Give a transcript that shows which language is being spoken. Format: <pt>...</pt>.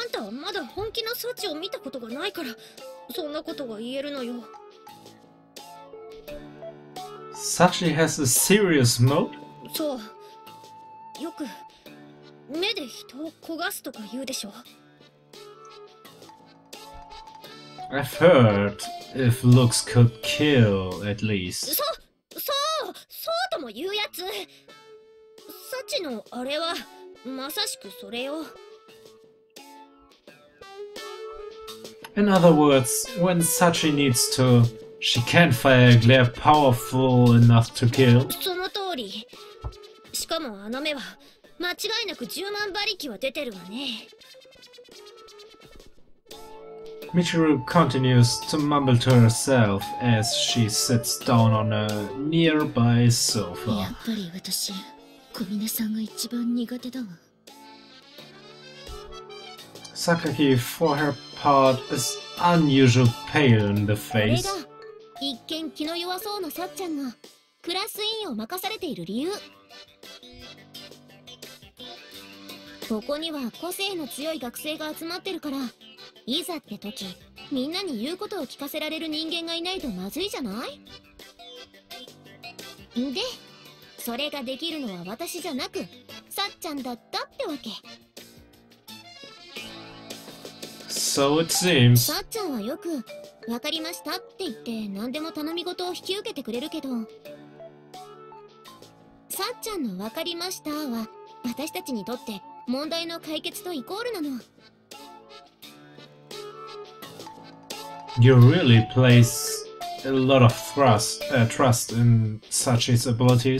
<ja>まだ本気のサチを見たことがないから、そんなことが言えるのよ。</ja> <en>Sachi has a serious mode?</en> <ja>そう。よく、目で人を焦がすとか言うでしょ。</ja> <en>I've heard if looks could kill, at least.</en> <ja>そうとも言うやつ。サチのあれは、まさしくそれよ。</ja> <en>In other words, when Sachi needs to She can't fire a glare powerful enough to kill.</en> <ja>その通り。しかもあの目は間違いなく10万馬力は出てるわね。</ja> <en>Michiru continues to mumble to herself as she sits down on a nearby sofa.</en> <ja>やっぱり私、小峰さんが一番苦手だわ。</ja> <en>Sakaki, for her part, is unusually pale in the face.</en> <ja>これだ。一見気の弱そうなさっちゃんがクラス委員を任されている理由。ここには個性の強い学生が集まってるから。いざって時、みんなに言うことを聞かせられる人間がいないとまずいじゃない？で、それができるのは私じゃなく、さっちゃんだったってわけ。</ja> <en>So it seems。</en> <ja>さっちゃんはよく、わかりましたって言って何でも頼み事を引き受けてくれるけど、さっちゃんのわかりましたは、私たちにとって問題の解決とイコールなの。</ja> <en>You really place a lot of trust in Sachi's abilities.</en>